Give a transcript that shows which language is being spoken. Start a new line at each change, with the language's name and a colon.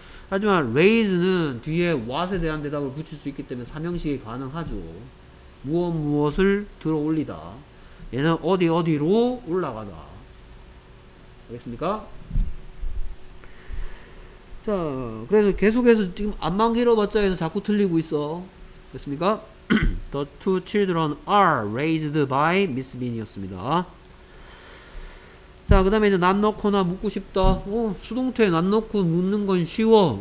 Korean: 하지만 raise는 뒤에 what에 대한 대답을 붙일 수 있기 때문에 삼형식이 가능하죠. 무엇 무엇을 들어올리다. 얘는 어디 어디로 올라가다. 알겠습니까? 자, 그래서 계속해서 지금 암만 길어봤자 해서 자꾸 틀리고 있어. 됐습니까?
English: The two children are raised by Miss Min
Korean: 이었습니다. 자, 그 다음에 이제 not 넣거나 묻고 싶다. 오, 수동태에 not 넣고 묻는 건 쉬워.